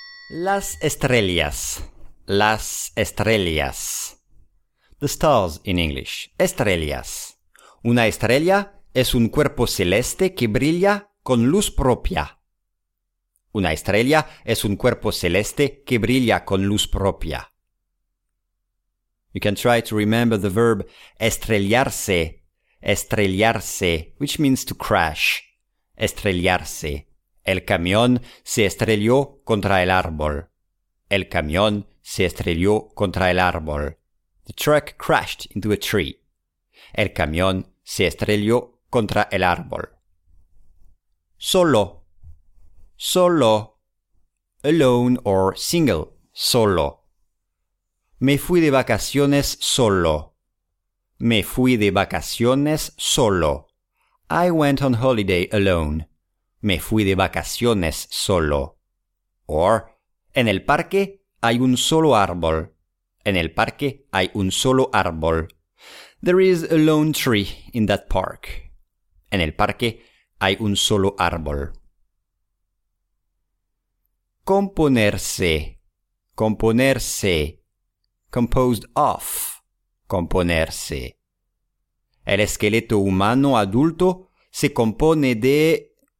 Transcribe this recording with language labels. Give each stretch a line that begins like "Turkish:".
Spanish: Las estrellas. Las estrellas.
English: The stars in English. Estrellas.
Spanish: Una estrella es un cuerpo celeste que brilla con luz propia. Una estrella es un cuerpo celeste que brilla con luz propia.
English: You can try to remember the verb estrellarse. Estrellarse, which means to crash. Estrellarse.
Spanish: El camión se estrelló contra el árbol. El camión se estrelló contra el árbol.
English: The truck crashed into a tree.
Spanish: El camión se estrelló contra el árbol. Solo. Solo.
English: Alone or single.
Spanish: Solo. Me fui de vacaciones solo. Me fui de vacaciones solo.
English: I went on holiday alone.
Spanish: Me fui de vacaciones solo. Or, en el parque hay un solo árbol. En el parque hay un solo árbol.
English: There is a lone tree in that park.
Spanish: En el parque hay un solo árbol. Componerse. Componerse.
English: Composed of.
Spanish: Componerse. El esqueleto humano adulto se compone de...